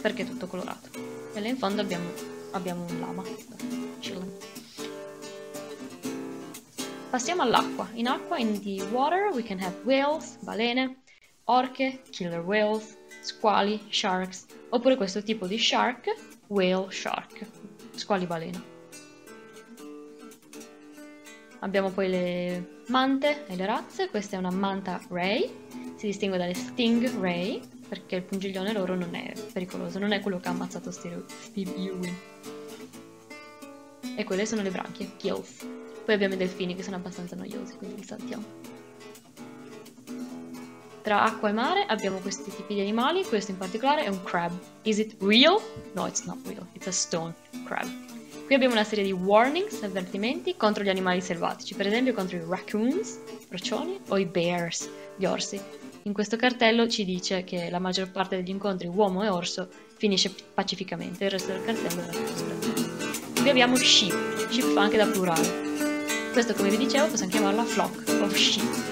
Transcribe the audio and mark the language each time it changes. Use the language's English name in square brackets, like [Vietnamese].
[Italian] Perché è tutto colorato. E là in fondo abbiamo un lama. [English] Chilling. [Italian] Passiamo all'acqua. In acqua, [English] in the water, [Italian] we can have whales, balene, orche, [English] killer whales, [Italian] squali, sharks. Oppure questo tipo di shark, whale shark, squali balena. Abbiamo poi le mante e le razze. Questa è una manta ray. Si distingue dalle sting ray. Perché il pungiglione loro non è pericoloso, non è quello che ha ammazzato Steve Irwin. E quelle sono le branchie, gills. Poi abbiamo I delfini che sono abbastanza noiosi, quindi li saltiamo. Tra acqua e mare abbiamo questi tipi di animali, questo in particolare è un crab. [English] Is it real? No, it's not real, it's a stone crab. [Italian] Qui abbiamo una serie di warnings, avvertimenti, contro gli animali selvatici. Per esempio contro I raccoons, roccioni, o I bears, gli orsi. In questo cartello ci dice che la maggior parte degli incontri uomo e orso finisce pacificamente, il resto del cartello è la chiusura. Qui abbiamo sheep, sheep fa anche da plurale. Questo, come vi dicevo, possiamo chiamarla [English] flock of sheep.